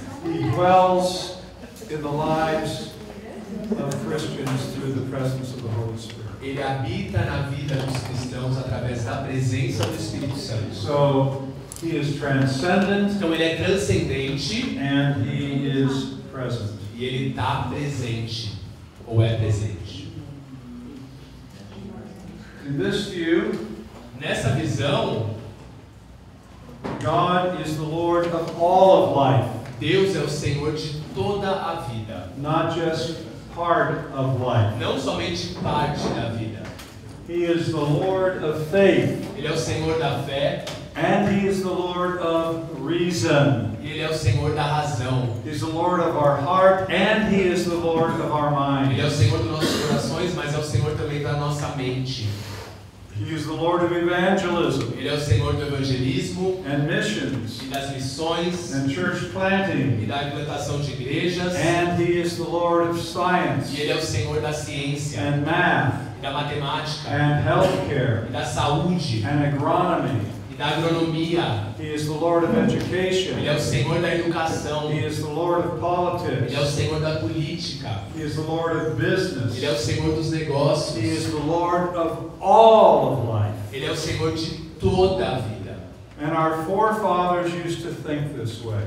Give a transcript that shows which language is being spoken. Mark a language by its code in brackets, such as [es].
[en] he dwells in the lives of Christians through the presence of the Holy Spirit. [pt] Ele habita na vida dos cristãos através da presença do Espírito Santo. [en] So he is transcendent. [pt] Então ele é transcendente. [en] And he is present. [pt] E ele está presente ou é presente. [en] In this view, [pt] nessa visão, [en] God is the Lord of all of life. [pt] Deus é o Senhor de toda a vida. [en] Not just part of life. [pt] Não somente parte da vida. [en] He is the Lord of faith. [pt] Ele é o Senhor da fé. [en] And he is the Lord of reason. [pt] Ele é o Senhor da razão. [en] He is the Lord of our heart and he is the Lord of our mind. [pt] Ele é o Senhor dos nossos corações, mas é o Senhor também da nossa mente. [en] He is the Lord of evangelism. [pt] Ele é o Senhor do evangelismo. [en] And missions. [pt] E das missões. [en] And church planting. [pt] E da implantação de igrejas. [en] And he is the Lord of science. [pt] E ele é o Senhor da ciência. [en] And math. [pt] E da matemática. [en] And healthcare. [pt] E da saúde. [en] And agronomy. [pt] E da agronomia. [en] He is the Lord of education. [pt] Ele é o Senhor da educação. [en] He is the Lord of politics. [pt] Ele é o Senhor da política. [en] He is the Lord of business. [pt] Ele é o Senhor dos negócios. [en] He is the Lord of all of life. [pt] Ele é o Senhor de toda a vida. [en] And our forefathers used to think this way.